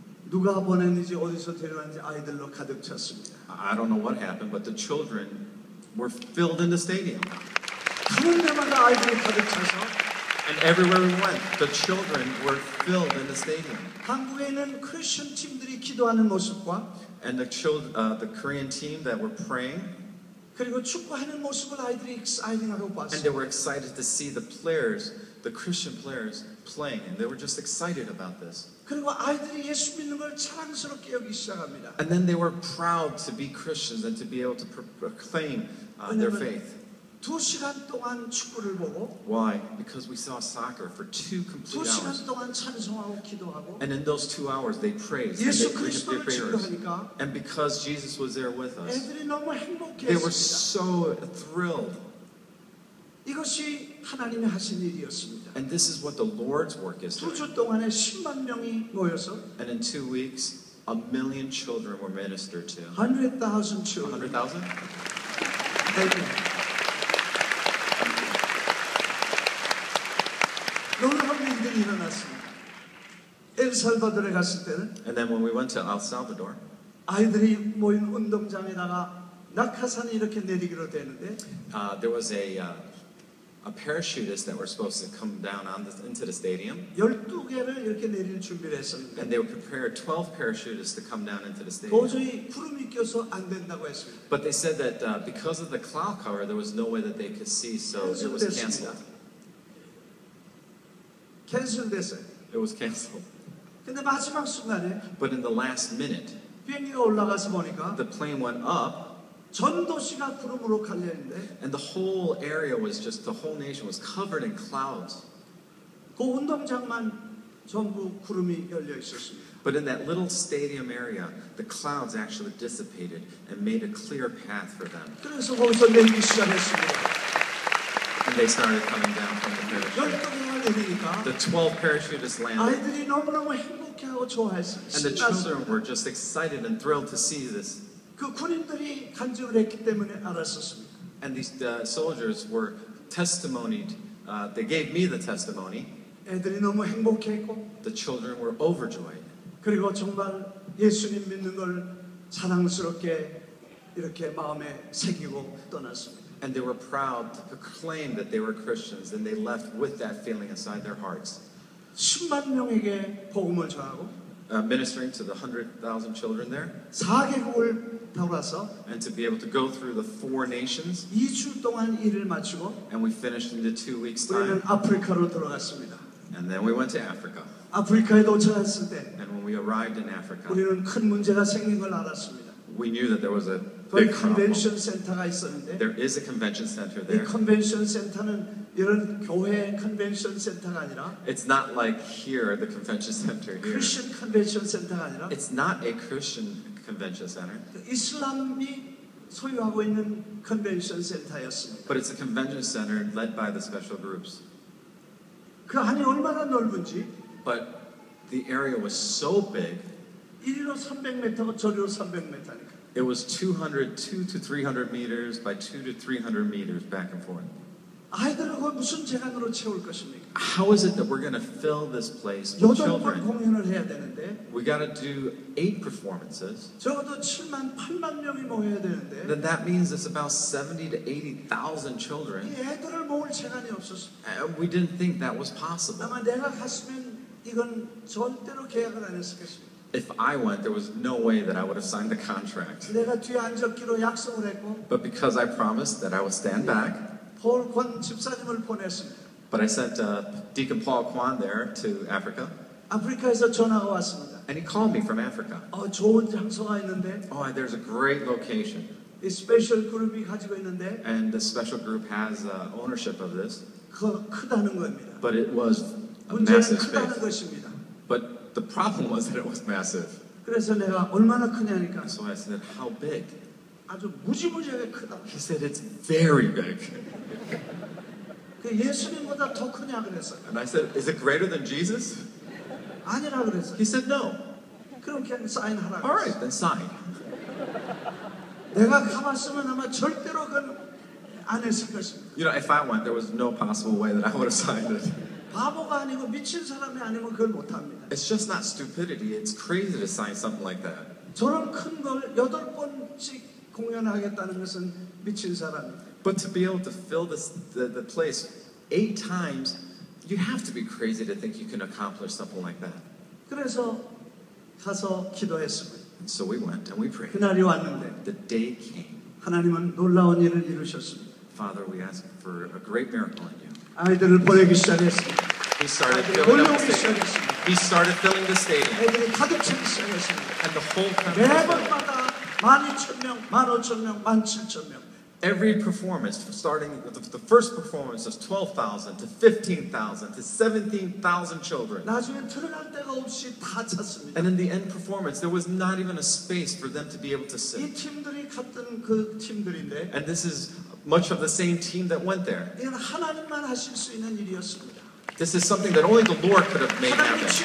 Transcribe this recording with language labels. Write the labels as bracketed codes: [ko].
[ko] 누가 보냈는지 어디서 데려왔는지 아이들로 가득 찼습니다. [en] I don't know what happened, but the children were filled in the stadium. [ko] 가는 데마다 아이들이 가득 차서. [en] And everywhere we went, the children were filled in the stadium. [ko] 한국에는 크리스천 팀들이 기도하는 모습과. [en] And the Korean team that were praying. [ko] 그리고 축구하는 모습을 아이들이 excited하고 봤어. [en] And they were excited to see the players, the Christian players playing, and they were just excited about this. [ko] 그리고 아이들이 예수 믿는 걸 자랑스럽게 여기 시작합니다. [en] And then they were proud to be Christians and to be able to proclaim their faith. [ko] 2시간 동안 축구를 보고 [en] Why? Because we saw soccer for 2 complete hours. [ko] 2시간 동안 찬송하고 기도하고 [en] And in those 2 hours they praised. [ko] 예수 그리스도를 축복하니까 [en] And because Jesus was there with us. [ko] 애들이 너무 행복했습니다. [en] They were so thrilled. [ko] 이것이 하나님이 하신 일이었습니다. [en] And this is what the Lord's work is. [ko] 2주 동안에 10만 명이 모여서 [en] And in 2 weeks a million children were ministered to. 100,000 children. 100,000? Thank you. [ko] 일어났습니다. 엘살바도르에 갔을 때는 [en] And then when we went to El Salvador [ko] 아이들이 모인 운동장에다가 낙하산이 이렇게 내리기로 되는데 [en] there was a parachutist that were supposed to come down on into the stadium [ko] 12개를 이렇게 내릴 준비를 했었는데 [en] And they were prepared 12 parachutists to come down into the stadium [ko] 도저히 구름이 껴서 안 된다고 했습니다. [en] But they said that because of the cloud cover there was no way that they could see so it was canceled. [ko] 캔슬됐어요. [en] It was canceled. [ko] 근데 마지막 순간에 [en] But in the last minute [ko] 비행기가 올라가서 보니까 [en] The plane went up [ko] 전 도시가 구름으로 갈려있는데 [en] And the whole area was just the whole nation was covered in clouds. [ko] 그 운동장만 전부 구름이 열려 있었습니다. [en] But in that little stadium area, the clouds actually dissipated and made a clear path for them. [ko] 그래서 거기서 내리기 시작했습니다. [en] And they started coming down from the parachute. The 12 parachutists landed. [ko] 아이들이 너무너무 행복해하고 좋아했어요. [en] And the children were just excited and thrilled to see this. [ko] 그 군인들이 간증을 했기 때문에 알았었습니다. [en] And these the soldiers were testimonied. They gave me the testimony. [ko] 애들이 너무 행복했고. [en] The children were overjoyed. [ko] 그리고 정말 예수님 믿는 걸 자랑스럽게 이렇게 마음에 새기고 떠났습니다. [en] And they were proud to proclaim that they were Christians, and they left with that feeling inside their hearts. [ko] 10만 명에게 복음을 전하고. [en] Ministering to the 100,000 children there. [ko] 4개국을 돌아서. [en] And to be able to go through the four nations. [ko] 2주 동안 일을 마치고. [en] And we finished in the 2 weeks' time. [ko] 우리는 아프리카로 돌아갔습니다. [en] And then we went to Africa. [ko] 아프리카에 도착했을 때. [en] And when we arrived in Africa. [ko] 우리는 큰 문제가 생긴 걸 알았습니다. [en] We knew that there was a [ko] big convention center가 있었는데. [en] There is a convention center there. [ko] 이 convention center는 이런 교회 convention center가 아니라. [en] It's not like here the convention center here. [ko] Christian convention center가 아니라. [en] It's not a Christian convention center. [ko] 이슬람이 소유하고 있는 convention center였습니다. [en] But it's a convention center led by the special groups. [ko] 그 안이 얼마나 넓은지. [en] But the area was so big. [ko] 이리로 300m고 저리로 300m니까. [en] It was 200 to 300 meters by 200 to 300 meters back and forth. [ko] 아이들을 그 무슨 재간으로 채울 것입니까? [en] How is it that we're going to fill this place with children? [ko] 8번 공연을 해야 되는데. [en] We got to do 8 performances. [ko] 적어도 7만 8만 명이 모여야 되는데. [en] Then that means it's about 70 to 80,000 children. [ko] 이 애들을 모을 재간이 없었어. [en] We didn't think that was possible. [ko] 아마 내가 갔으면 이건 절대로 계약을 안 했을 것입니다. [en] If I went, there was no way that I would have signed the contract. [ko] 내가 뒤에 앉았기로 약속을 했고. [en] But because I promised that I would stand back. [ko] 폴 권 집사님을 보냈습니다. [en] But I sent Deacon Paul Kwan there to Africa. [ko] 아프리카에서 전화가 왔습니다. [en] And he called me from Africa. [ko] 좋은 장소가 있는데. [en] Oh, there's a great location. [ko] 이 스페셜 그룹이 가지고 있는데. [en] And the special group has ownership of this. [ko] 그 크다는 겁니다. [en] But it was a massive space. [ko] 문제는 크다는 것입니다. [en] But the problem was that it was massive. [ko] 그래서 내가 얼마나 크냐니까. [en] So I said, how big? [ko] 아주 무지무지하게 크다. [en] He said, it's very big. [ko] 그 예수님보다 더 크냐 그랬어. [en] And I said, is it greater than Jesus? [ko] 아니라 그랬어. [en] He said, no. [ko] 그럼 그냥 사인 하라. [en] All right, then sign. [ko] 내가 가봤으면 아마 절대로 그건 안 했을 것입니다. [en] You know, if I went, there was no possible way that I would have signed it. [ko] 바보가 아니고 미친 사람이 아니면 그걸 못 합니다. [en] It's just not stupidity. It's crazy to sign something like that. [ko] 저런 큰 걸 여덟 번씩 공연하겠다는 것은 미친 사람. [en] But to be able to fill this the place 8 times, you have to be crazy to think you can accomplish something like that. [ko] 그래서 가서 기도했습니다. [en] And so we went and we prayed. [ko] 그날이 왔는데 [en] the day came. [ko] 하나님은 놀라운 일을 이루셨습니다. [en] Father, we ask for a great miracle in you. [ko] 아이들을 보내기 시작했습니다. [en] He started filling the stadium. They started filling the stadium. And the whole country. [ko] 매번마다 12,000명, 15,000명, 17,000명. [en] Every performance, starting with the first performance of 12,000 to 15,000 to 17,000 children. [ko] 나중에 들어갈 데가 없이 다 찼습니다. [en] And in the end performance, there was not even a space for them to be able to sit. [ko] 이 팀들이 갔던 그 팀들인데. [en] And this is much of the same team that went there. [ko] 이건 하나님만 하실 수 있는 일이었습니다. [en] This is something that only the Lord could have made happen.